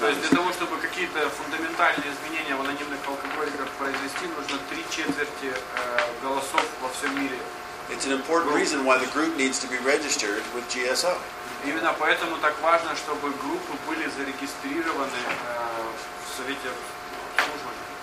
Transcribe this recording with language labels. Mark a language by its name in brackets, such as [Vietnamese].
[Russian] То есть для того, чтобы какие-то фундаментальные изменения в анонимных алкоголиках произвести, нужно 3/4 голосов во всем мире. [English] It's an important reason why the group needs to be registered with GSO. [Russian] Именно поэтому так важно, чтобы группы были зарегистрированы в Совете обслуживания.